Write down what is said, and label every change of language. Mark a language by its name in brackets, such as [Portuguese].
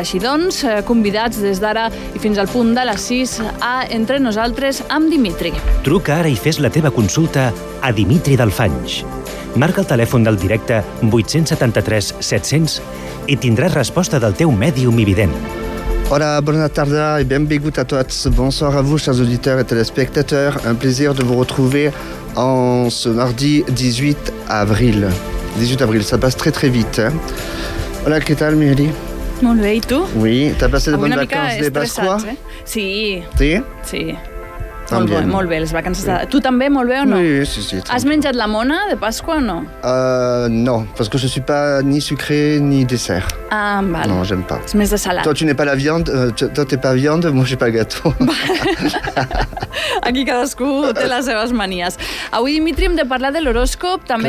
[Catalan] Així doncs, convidats des d'ara i fins al punt de 6:00 a Entre nosaltres amb Dimitri. Truca ara i fes la teva consulta a Dimitri Dalfanys. Marca el telèfon del directe 873-700 i tindràs resposta del teu mèdium i vident. Hola, bona tarda i benvingut a tots. [French] Bonsoir a vous, chers auditeurs et téléspectateurs. Un plaisir de vous retrouver en ce mardi 18 avril. 18 avril, ça passe très très vite. [Catalan] Hein? Hola, què tal, Mireille? Molt bé, i tu? [French] Oui, t'as passé de bonnes vacances des Pasquas? [Catalan] Sí. Sí? Sí. Molt bé, les vacances. Sí. Tu també, molt bé o no? Sí. Has menjat la mona de Pasqua o no? [French] No, parce que je suis pas ni sucré ni dessert. [Catalan] Ah, vale. [French] Non, j'aime pas. [Catalan] És més de salat. [French] Toi, tu n'es pas la viande, toi, t'es pas viande, moi, j'ai pas gâteau. [Catalan] Aquí cadascú té les seves manies. Avui, Dimitri, hem de parlar de l'horòscop, també